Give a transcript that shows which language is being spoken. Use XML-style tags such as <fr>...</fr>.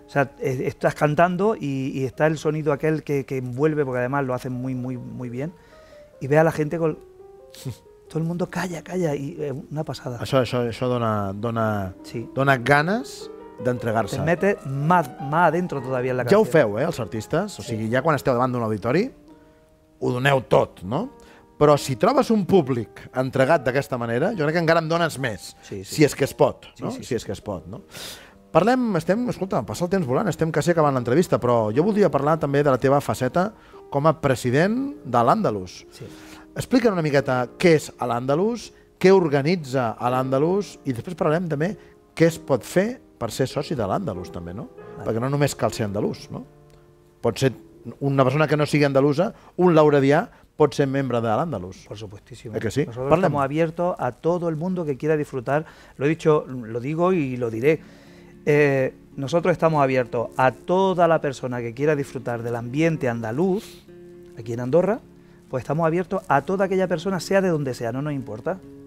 <es>O sea, estás cantando y está el sonido aquel que envuelve, porque además lo hacen muy, muy, muy bien, y ve a la gente con... Todo el mundo calla, y una pasada. Eso dona sí. dona ganas de entregarse. Te mete más adentro todavía en la canción.</es> <ca>Ya ho feu, els artistes. O sigui, ja quan esteu davant d'un auditori, ho doneu tot, no? Però si trobes un públic entregat d'aquesta manera, jo crec que encara en dones més, sí. si és que es pot, no? Sí. Si és que es pot, no? Parlem, escolta, passa el temps volant, estem quasi acabant l'entrevista, però jo voldria parlar també de la teva faceta com a president de l'Andalus. Sí. Explica'm una miqueta què és l'Andalus, què organitza l'Andalus i després parlarem també què es pot fer per ser soci de l'Andalus també, no? Vale. Perquè no només cal ser andalús, no? Pot ser una persona que no sigui andalusa, un lauredià, pot ser membre de l'Andalus.</ca> <es>Por supuestísimo. ¿Es que sí? Nosotros Parlem. Estamos abiertos a todo el mundo que quiera disfrutar. Lo he dicho, lo digo y lo diré. Nosotros estamos abiertos a toda la persona que quiera disfrutar del ambiente andaluz aquí en Andorra, pues estamos abiertos a toda aquella persona, sea de donde sea, no nos importa.</es>